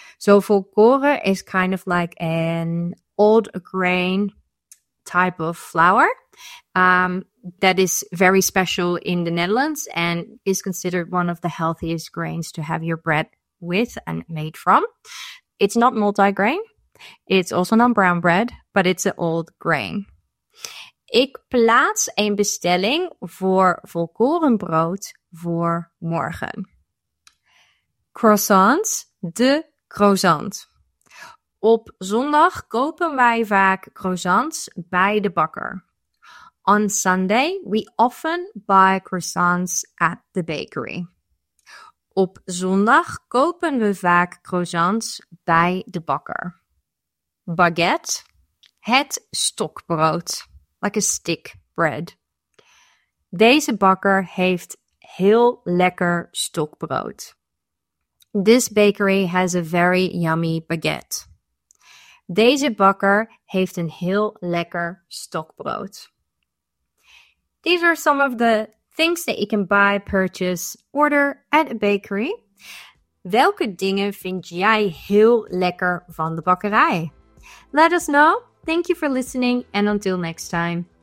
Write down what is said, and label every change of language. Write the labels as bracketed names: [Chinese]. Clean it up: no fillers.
[English] So volkoren is kind of like an old grain type of flour that is very special in the Netherlands and is considered one of the healthiest grains to have your bread with and made from. It's not multigrain. It's also not brown bread, but it's an old grain. [Dutch] Ik plaats een bestelling voor volkorenbrood voor morgen. Croissants, de croissant. Op zondag kopen wij vaak croissants bij de bakker. [English] On Sunday, we often buy croissants at the bakery. [Dutch] Op zondag kopen we vaak croissants bij de bakker. Baguette, het stokbrood. [English] Like a stick bread. [Dutch] Deze bakker heeft heel lekker stokbrood. [English] This bakery has a very yummy baguette. [Dutch] Deze bakker heeft een heel lekker stokbrood. [English] These are some of the things that you can buy, purchase, order at a bakery. [Dutch] Welke dingen vind jij heel lekker van de bakkerij? [English] Let us know. Thank you for listening and until next time.